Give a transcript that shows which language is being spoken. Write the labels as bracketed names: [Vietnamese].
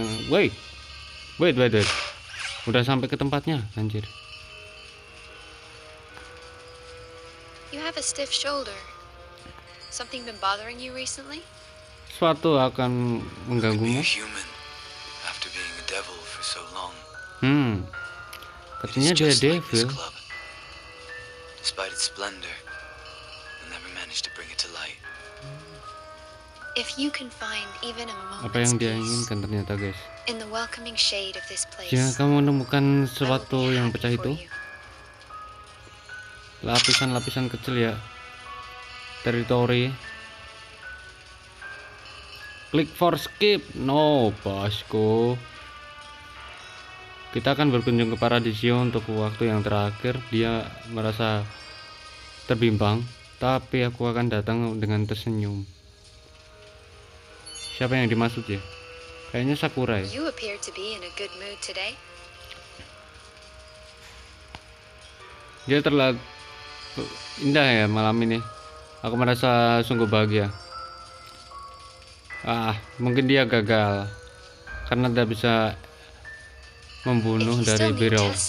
[Indonesian] Woi. Wait. Udah sampai ke tempatnya, anjir. [English] You have a stiff shoulder. Something been bothering you recently? [Indonesian] Suatu akan mengganggumu. [English] Human, after being a devil for so long. [Indonesian] Katanya dia devil. [English] Like this club. Despite its splendor, I never managed to bring it to light. If you can find even a moment. [Indonesian] Apa yang dia inginkan ternyata, guys? [English] In the welcoming shade of this place. [Indonesian] Jika kamu menemukan sesuatu yang pecah itu. Lapisan-lapisan kecil ya. Teritori. [English] Click for skip. No, bosku. [Indonesian] Kita akan berkunjung ke Paradiso untuk waktu yang terakhir. Dia merasa terbimbang, tapi aku akan datang dengan tersenyum. Siapa yang dimaksud ya? Kayaknya Sakurai. [English] You appear to be in a good mood today. [Indonesian] Dia terlihat indah ya malam ini. Aku merasa sungguh bahagia. Ah, mungkin dia gagal karena tidak bisa membunuh dari Biro.